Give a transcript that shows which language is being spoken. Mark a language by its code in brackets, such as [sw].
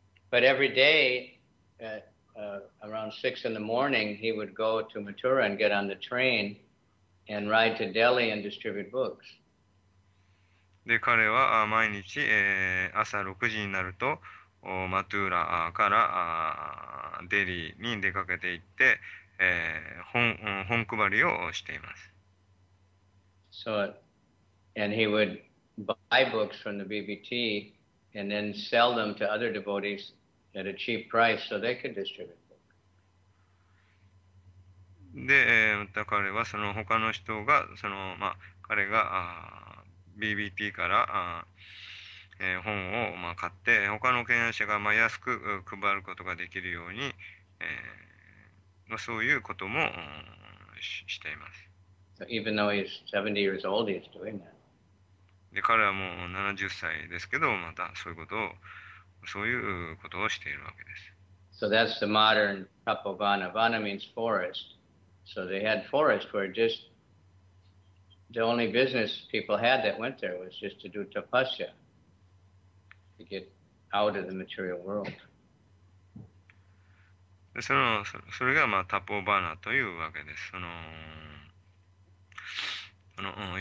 [en] But every day, around 6 in the morning, he would go to Mathura and get on the train. And ride to Delhi and distribute books. [ja] で、彼は毎日、朝6時になるとマトゥーラからデリーに出かけて行って、本配りをしています。 [en] So, and he would buy books from the BBT and then sell them to other devotees at a cheap price so they could distribute. [ja] で、また彼はその他の人がその、まあ、彼が BBT から本を、まあ、買って他の権威者が、まあ、安く配ることができるように、まあ、そういうことも、しています。 [en] So even though he's 70 years old, he's doing that. [ja] で、彼はもう70歳ですけど、またそういうことをしているわけです。 [en] So that's the modern Tapovana. Vana means forest. So they had forest where just the only business people had that went there was just to do tapasya, to get out of the material world. [ja] それがまあタポバナというわけです。